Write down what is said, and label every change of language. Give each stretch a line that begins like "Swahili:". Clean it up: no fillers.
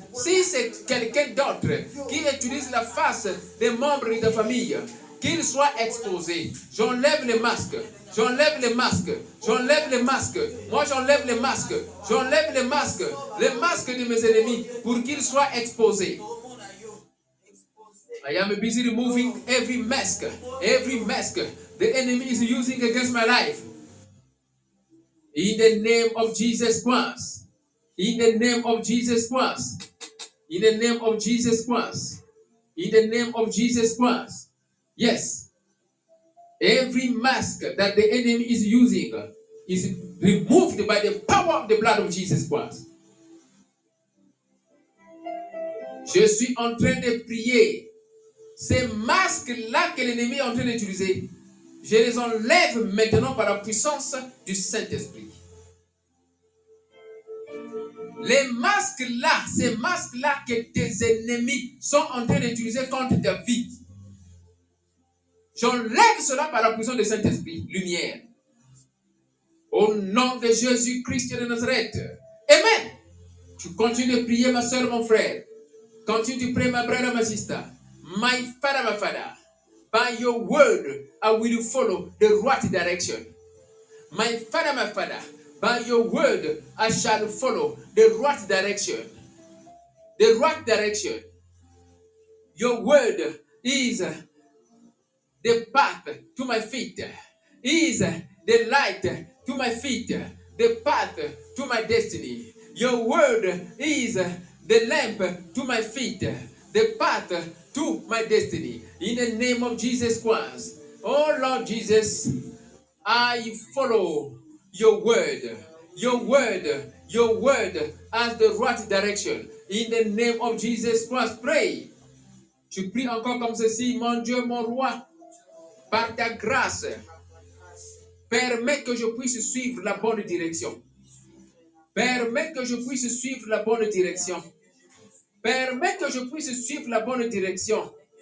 French: Si c'est quelqu'un d'autre qui utilise la face des membres de famille, qu'il soit exposé. J'enlève les masques. J'enlève les masques. J'enlève les masques. Moi, j'enlève les masques. J'enlève les masques. Les masques de mes ennemis pour qu'ils soient exposés.
English: I am busy removing every mask. Every mask the enemy is using against my life. In the name of Jesus Christ. In the name of Jesus Christ. In the name of Jesus Christ. In the name of Jesus Christ. Yes, every mask that the enemy is using is removed by the power of the blood of Jesus Christ.
French: Je suis en train de prier. Ces masques-là que l'ennemi est en train d'utiliser, je les enlève maintenant par la puissance du Saint-Esprit. Les masques-là, ces masques-là que tes ennemis sont en train d'utiliser contre ta vie, j'enlève cela par la puissance du Saint-Esprit, lumière. Au nom de Jésus-Christ de Nazareth. Amen. Tu continues de prier, ma soeur, mon frère. Continue de prier, ma
English: brother, ma sister. My father, my father. By your word, I will follow the right direction. My father, my father. By your word, I shall follow the right direction. The right direction. Your word is the path to my feet, is the light to my feet, the path to my destiny. Your word is the lamp to my feet, the path to my destiny. In the name of Jesus Christ, oh Lord Jesus, I follow your word, your word, your word as the right direction. In the name of Jesus Christ, pray.
French: Tu pries encore comme ceci, mon Dieu, mon roi. Par ta grâce, permets que je puisse suivre la bonne direction. Permets que je puisse suivre la bonne direction. Permets que je puisse suivre la bonne direction.